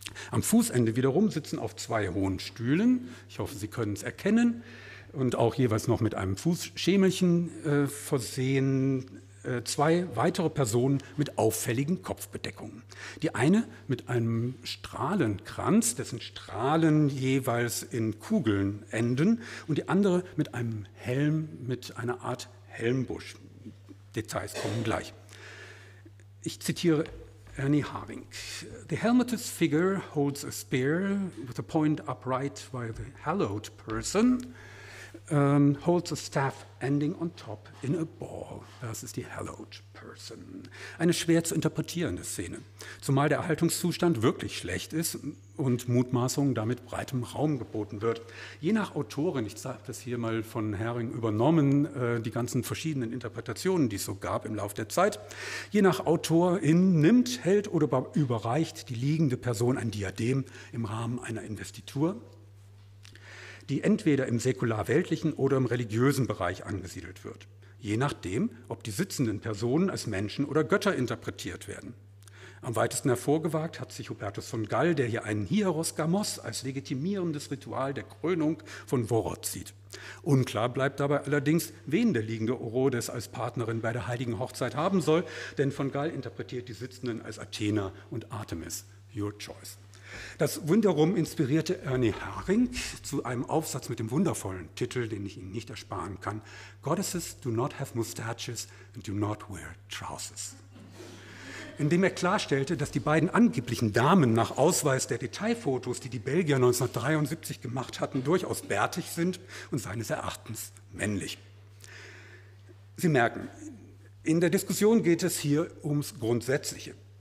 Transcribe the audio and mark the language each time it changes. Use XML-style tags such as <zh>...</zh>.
<de>Am Fußende wiederum sitzen auf zwei hohen Stühlen, ich hoffe, Sie können es erkennen, und auch jeweils noch mit einem Fußschemelchen versehen, zwei weitere Personen mit auffälligen Kopfbedeckungen. Die eine mit einem Strahlenkranz, dessen Strahlen jeweils in Kugeln enden, und die andere mit einem Helm, mit einer Art Helmbusch. Details kommen gleich. Ich zitiere Ernie Harvink.</de> <en>The helmeted figure holds a spear with the point upright while the hallowed person holds a staff ending on top in a ball.</en> <de>Das ist die</de> <en>hallowed person.</en> <de>Eine schwer zu interpretierende Szene, zumal der Erhaltungszustand wirklich schlecht ist und Mutmaßungen damit breitem Raum geboten wird. Je nach Autorin, ich sage das hier mal von Herring übernommen, die ganzen verschiedenen Interpretationen, die es so gab im Laufe der Zeit, je nach Autorin nimmt, hält oder überreicht die liegende Person ein Diadem im Rahmen einer Investitur, die entweder im säkular-weltlichen oder im religiösen Bereich angesiedelt wird, je nachdem, ob die sitzenden Personen als Menschen oder Götter interpretiert werden. Am weitesten hervorgewagt hat sich Hubertus von Gall, der hier einen Hieros Gamos als legitimierendes Ritual der Krönung von Vorod sieht. Unklar bleibt dabei allerdings, wen der liegende Herodes als Partnerin bei der heiligen Hochzeit haben soll, denn von Gall interpretiert die Sitzenden als Athena und Artemis.</de> <en>Your choice.</en> <de>Das wiederum inspirierte Ernie Harvink zu einem Aufsatz mit dem wundervollen Titel, den ich Ihnen nicht ersparen kann.</de> <en>Goddesses do not have mustaches and do not wear trousers.</en> <de>Indem er klarstellte, dass die beiden angeblichen Damen nach Ausweis der Detailfotos, die die Belgier 1973 gemacht hatten, durchaus bärtig sind und seines Erachtens männlich. Sie merken, in der Diskussion geht es hier ums Grundsätzliche.</de>